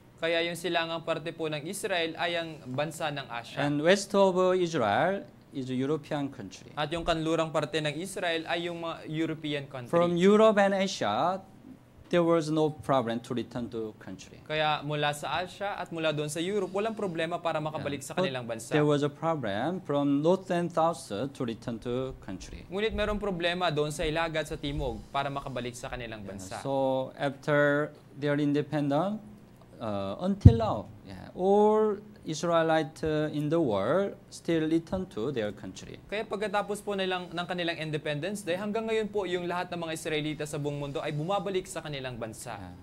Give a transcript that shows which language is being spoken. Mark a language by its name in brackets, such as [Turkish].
[Filipino] Kaya yung silangang parte po ng Israel ay ang bansa ng Asia. [English] And west of Israel is a European country. [Filipino] At yung kanlurang parte ng Israel ay yung [English] European country. From Europe and Asia, there was no problem to return to country. [Filipino] Kaya mula sa Asia at mula doon sa Europe, walang problema para makabalik sa kanilang bansa. [English] There was a problem from north and south to return to country. [Filipino] Ngunit merong problema doon sa ilaga at sa timog para makabalik sa kanilang bansa. [English] So after their independence, until now, all Israelites in the world still return to their country. [Filipino] Kaya pagkatapos po ng kanilang independence, dahil hanggang ngayon po yung lahat ng mga Israelita sa buong mundo ay bumabalik sa kanilang bansa.